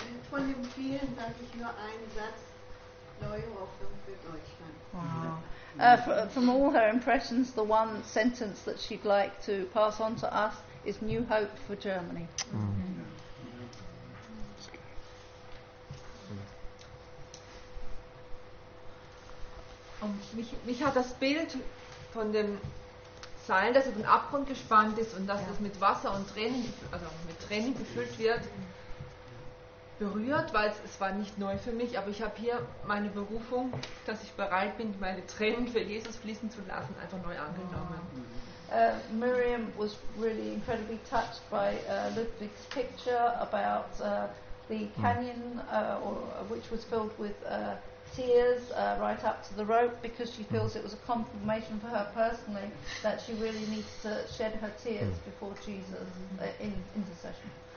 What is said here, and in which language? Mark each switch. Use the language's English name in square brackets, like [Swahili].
[German] Von dem vielen danke ich nur einen Satz. Wow. [English] From all her impressions, the one sentence that she'd like to pass on to us is new hope for Germany. [German] Mich hat das Bild von dem Seil, das auf den Abgrund gespannt ist und dass das mit Wasser und Tränen, also mit Tränen gefüllt wird, berührt, weil es war nicht neu für mich, aber ich habe hier meine Berufung, dass ich bereit bin, meine Tränen für Jesus fließen zu lassen, einfach neu angenommen. [English] Miriam was really incredibly touched by Ludwig's picture about the canyon which was filled with tears right up to the rope, because she feels it was a confirmation for her personally that she really needs to shed her tears before Jesus in intercession.